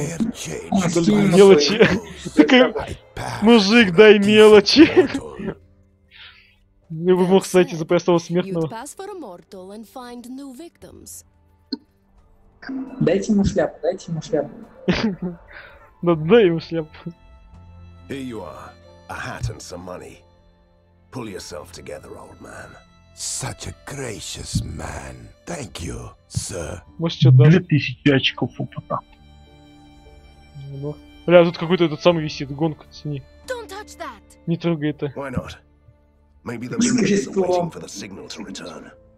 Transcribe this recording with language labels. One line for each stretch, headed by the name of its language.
Russian: Мелочи. Мужик, дай мелочи. Я бы мог сойти за простого смертного. Дайте ему шляпу, дайте ему шляпу. Да, дай ему шляпу.
English: Here you are, a hat and some money. Pull yourself together, old man. Such a gracious man. Thank you, sir.
Russian: Может, что-то даже... 2000 очков опыта. Ну, бля, тут какой-то этот самый висит, гонка, цени.
English: Don't touch that.
Russian: Не трогай это.
English: Why not? Maybe the villagers are waiting for the signal to return.